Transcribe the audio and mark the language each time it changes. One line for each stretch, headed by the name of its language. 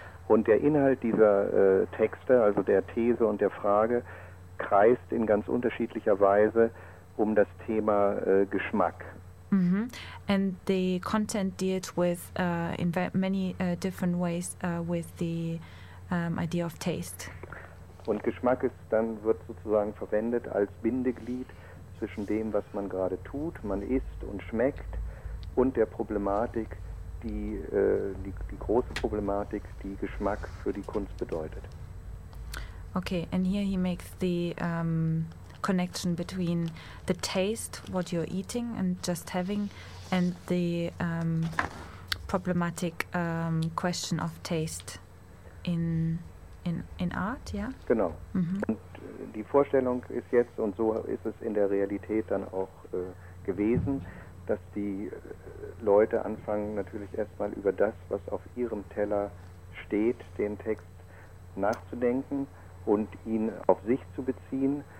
German: Und der Inhalt dieser Texte, also der These und der Frage, kreist in ganz unterschiedlicher Weise um das Thema Geschmack. Mm-hmm.
English: And the content deals with in many different ways with the idea of taste.
German: Und Geschmack ist dann wird sozusagen verwendet als Bindeglied zwischen dem, was man gerade tut, man isst und schmeckt, und der Problematik, die große Problematik, die Geschmack für die Kunst bedeutet.
English: Okay, and here he makes the connection between the taste, what you're eating and just having, and the problematic question of taste in art, yeah?
German: Genau. Mm-hmm. Und die Vorstellung ist jetzt, und so ist es in der Realität dann auch gewesen, dass die Leute anfangen natürlich erstmal über das, was auf ihrem Teller steht, den Text nachzudenken und ihn auf sich zu beziehen.